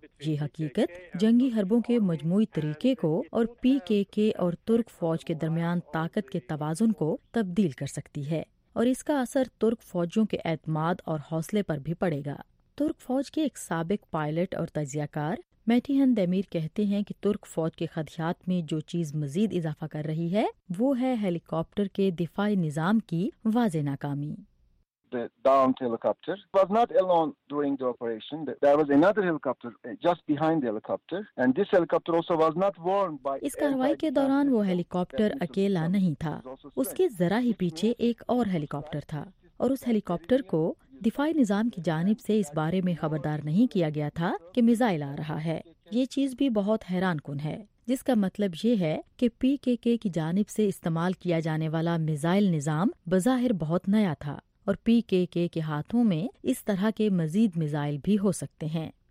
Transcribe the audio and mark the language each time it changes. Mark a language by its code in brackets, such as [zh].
[ur] یہ حقیقت جنگی حربوں کے مجموعی طریقے کو اور پی کے کے اور ترک فوج کے درمیان طاقت کے توازن کو تبدیل کر سکتی ہے، اور اس کا اثر ترک فوجیوں کے اعتماد اور حوصلے پر بھی پڑے گا. ترک فوج کے ایک سابق پائلٹ اور تجزیہ کار میٹیہن دیمیر کہتے ہیں کہ ترک فوج کے خدشات میں جو چیز مزید اضافہ کر رہی ہے وہ ہے ہیلی کاپٹر کے دفاعی نظام کی واضح ناکامی. [en] The downed helicopter was not alone during the operation. There was another helicopter just behind the helicopter, and this helicopter also was not warned by. [ur] اس کاروائی کے دوران وہ ہیلی کاپٹر اکیلا نہیں تھا، اس کے ذرا ہی پیچھے ایک اور ہیلی کاپٹر تھا، اور اس ہیلی کاپٹر کو دفاعی نظام کی جانب سے اس بارے میں خبردار نہیں کیا گیا تھا کہ میزائل آ رہا ہے. یہ چیز بھی بہت حیران کن ہے، جس کا مطلب یہ ہے کہ پی کے کے کی جانب سے استعمال کیا جانے والا میزائل نظام بظاہر بہت نیا تھا، اور پی کے کے کے ہاتھوں میں اس طرح کے مزید میزائل بھی ہو سکتے ہیں.